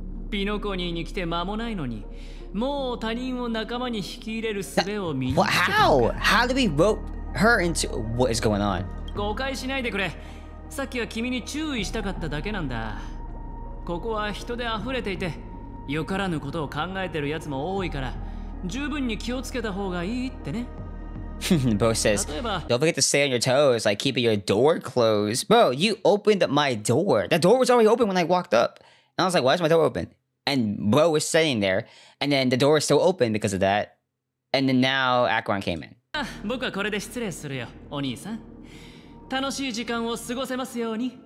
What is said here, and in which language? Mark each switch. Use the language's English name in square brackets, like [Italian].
[Japanese] ピノコニーに来て間もないのに、もう他人を仲間に引き入れる術を見つけた。 [English] How do we rope her into what is going on? [Japanese] 誤解しないでくれ。さっきは君に注意したかっただけなんだ。ここは人で溢れていて、よからぬことを考えてるやつも多いから、十分に気をつけた方がいいってね。 [English] Bro says, don't forget to stay on your toes, like keeping your door closed. Bro, you opened my door. That door was already open when I walked up. And I was like, why is my door open? And Bro was sitting there, and then the door is still open because of that. And then now, Acheron came in. [Japanese] 僕はこれで失礼するよ、お兄さん。楽しい時間を過ごせますように。